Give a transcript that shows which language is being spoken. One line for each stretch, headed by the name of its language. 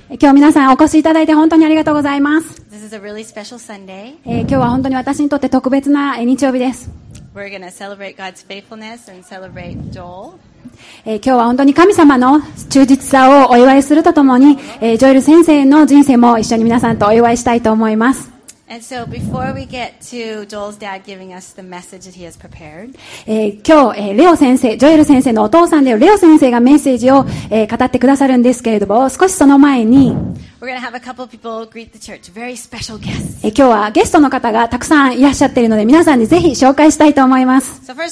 Japanese: 今日皆さんお越しいただいて本当にありがとうございます。
English: This is a really special Sunday.
Japanese: 今日は本当に私にとって特別な日曜日です。
English: We're going to celebrate God's faithfulness and celebrate Joel.
Japanese: 今日は本当に神様の忠実さをお祝いするとともに、ジョエル先生の人生も一緒に皆さんとお祝いしたいと思います。今日、レオ先生、ジョエル先生のお父さんであるレオ先生がメッセージを、語ってくださるんですけれども、少しその前に今日はゲストの方がたくさんいらっしゃっているので皆さんにぜひ紹介したいと思います。